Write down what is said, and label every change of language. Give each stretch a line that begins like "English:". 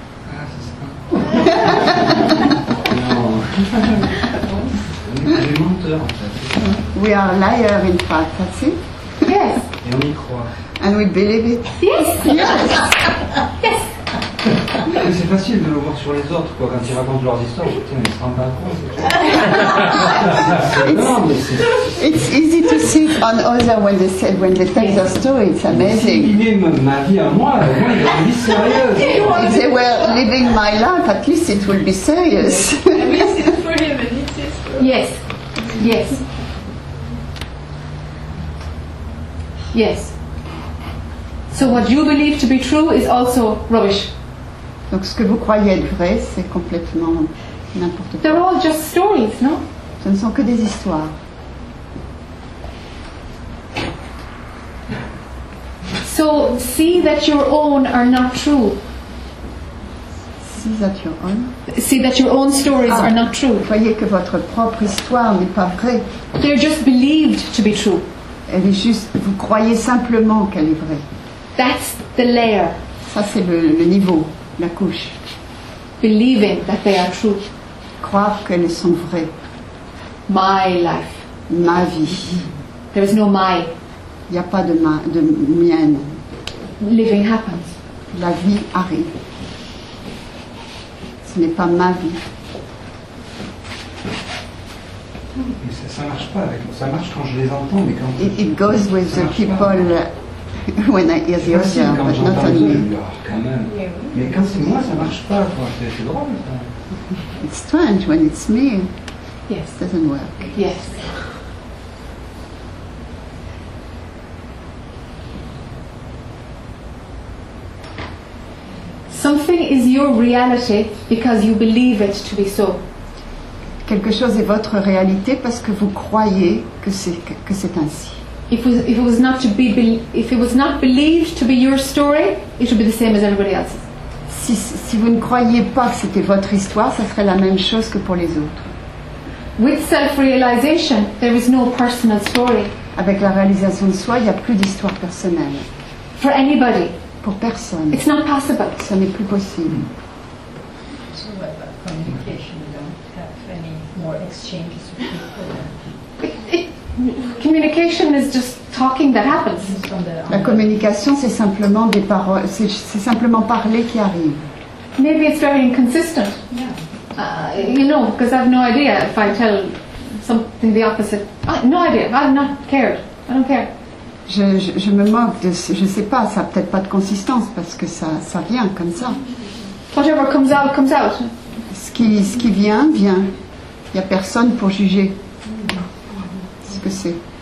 French: Ah, c'est ça. Non. On est menteurs, en fait.
English: We are liars, in fact, that's it. Yes.
French: Et on y croit.
English: And we believe it. Yes. Yes. Yes.
French: Mais c'est facile de le voir sur les autres, quoi, quand ils racontent leurs histoires. Putain, ils se rendent pas compte.
English: It's easy to see it on others when they tell their story. It's amazing. Si ils vivaient ma vie à moi, ils auraient une vie sérieuse. If they were living my life, at least it would be serious. At least it's for him and it's his story. Yes. Yes. Yes. So what you believe to be true is also rubbish.
French: Donc ce que vous croyez être vrai, c'est complètement n'importe quoi.
English: They're all just stories, no?
French: Ce ne sont que des histoires.
English: So see that your own are not true. See that your own? See that your own stories are not true.
French: Voyez que votre propre histoire n'est pas vraie.
English: They're just believed to be true.
French: Elle est juste, vous croyez simplement qu'elle est vraie.
English: That's the layer.
French: Ça c'est le niveau. La couche.
English: Believing that they are true.
French: Croire qu'elles sont vraies.
English: My life.
French: Ma vie.
English: There is no my.
French: Il n'y a pas de mienne.
English: Living happens.
French: La vie arrive. Ce n'est pas ma vie. Mais ça ne marche pas. Ça marche quand je les entends, mais quand...
English: It goes with the people...
French: Pas.
English: When I hear the other,
French: quand
English: but not
French: quand
English: only.
French: Mais quand c'est moi, ça marche pas. C'est drôle.
English: It's strange when it's me. Yes. It doesn't work. Yes. Something is your reality because you believe it to be so.
French: Quelque chose est votre réalité parce que vous croyez que c'est ainsi.
English: If it was not believed to be your story, it would be the same as everybody else's.
French: Si vous ne croyez pas que c'était votre histoire, ça serait la même chose que pour les autres.
English: With self-realization, there is no personal story.
French: Avec la réalisation de soi, il n'y a plus d'histoire personnelle.
English: For anybody.
French: Pour personne.
English: It's not possible.
French: Ça n'est plus possible.
English: So what about communication? You don't have any more exchanges with people. Communication is just talking that happens.
French: La communication, c'est simplement des paroles, c'est simplement parler qui arrive.
English: Maybe it's very inconsistent. Yeah. You know, because I have no idea if I tell something the opposite. No idea. I've not cared. I don't care.
French: Je me moque de. Je sais pas. Ça a peut-être pas de consistance parce que ça vient comme ça.
English: Whatever comes out, comes out.
French: Ce qui vient, vient. Il n'y a personne pour juger ce que c'est.